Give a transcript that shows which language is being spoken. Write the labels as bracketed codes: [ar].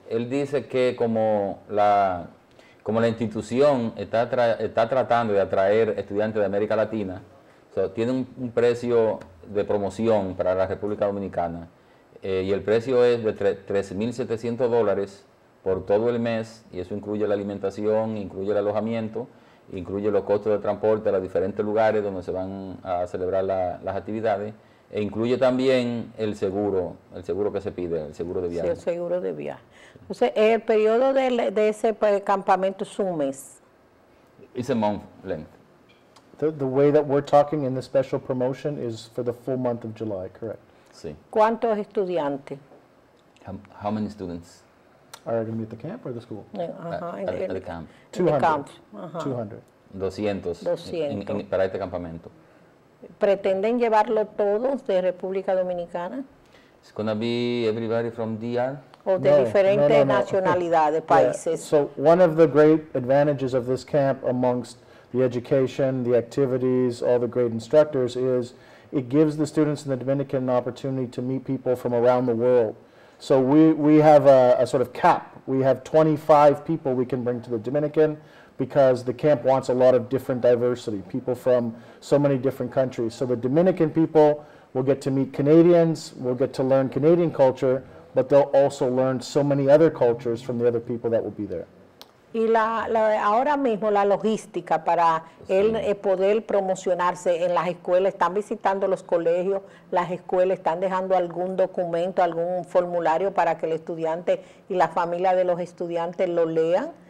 [es] Él dice que como la institución está tratando de atraer estudiantes de América Latina, so, tiene un precio de promoción para la República Dominicana, y el precio es de $3,700 por todo el mes, y eso incluye la alimentación, incluye el alojamiento, incluye los costos de transporte a los diferentes lugares donde se van a celebrar las actividades, e incluye también el seguro que se pide, el seguro de viaje. Sí, el seguro de viaje. Entonces, el periodo de ese campamento es un mes. [en] It's a month length. The way that we're talking in the special promotion is for the full month of July, correct? [es] Sí. ¿Cuántos estudiantes? [en] How many students? Are going to be at the camp or the school? At the camp. 200. 200. In, [es] para este campamento. ¿Pretenden llevarlo todos de República Dominicana? [en] It's going to be everybody from DR. [es] O de diferentes nacionalidades, okay. Países. [en] Yeah. So one of the great advantages of this camp amongst the education, the activities, all the great instructors is it gives the students in the Dominican an opportunity to meet people from around the world. So we have a sort of cap. We have 25 people we can bring to the Dominican because the camp wants a lot of different diversity, people from so many different countries. So the Dominican people will get to meet Canadians, will get to learn Canadian culture, but they'll also learn so many other cultures from the other people that will be there. [es] Y la ahora mismo la logística para él poder promocionarse en las escuelas, ¿están visitando los colegios, las escuelas, están dejando algún documento, algún formulario para que el estudiante y la familia de los estudiantes lo lean?